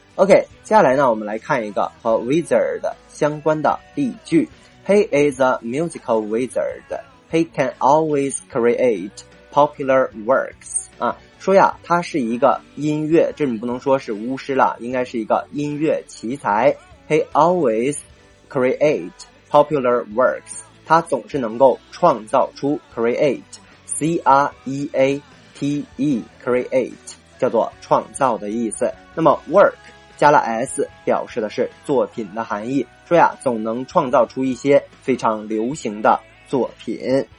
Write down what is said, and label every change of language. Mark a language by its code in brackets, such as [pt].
[zh] OK， 接下来呢我们来看一个和 wizard 相关的例句。 [en] He is a musical wizard. He can always create popular works. [zh] 啊，说呀，他是一个音乐，这你不能说是巫师了，应该是一个音乐奇才。 [en] He always create popular works. [zh] 他总是能够创造出 create, C-R-E-A-T-E, create, 叫做创造的意思。那么 work 加了 s 表示的是作品的含义。说呀，总能创造出一些非常流行的作品。